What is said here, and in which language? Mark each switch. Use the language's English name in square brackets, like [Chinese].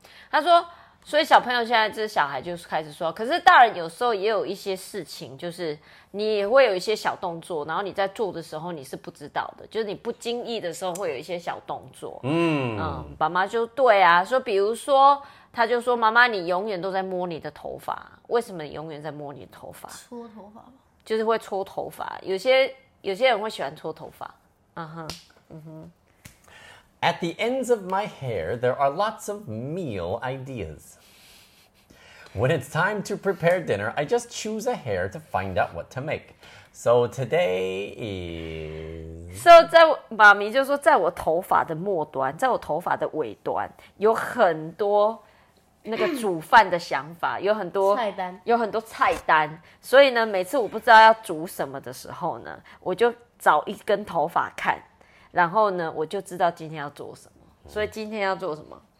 [Chinese] 他说，所以小朋友现在这小孩就开始说，可是大人有时候也有一些事情，就是你会有一些小动作，然后你在做的时候你是不知道的，就是你不经意的时候会有一些小动作。爸妈就对啊，说比如说他就说妈妈你永远都在摸你的头发为什么你永远在摸你的头发搓头发就是会搓头发有些人会喜欢搓头发、 [English] At the ends of my hair there are lots of meal ideas When it's time to prepare dinner I just choose a hair to find out what to make So today is [Chinese] So, 在妈咪就说在我头发的末端在我头发的尾端有很多那个煮饭的想法有很多菜单有很多菜单所以呢每次我不知道要煮什么的时候呢我就找一根头发看然后呢我就知道今天要做什么所以今天要做什么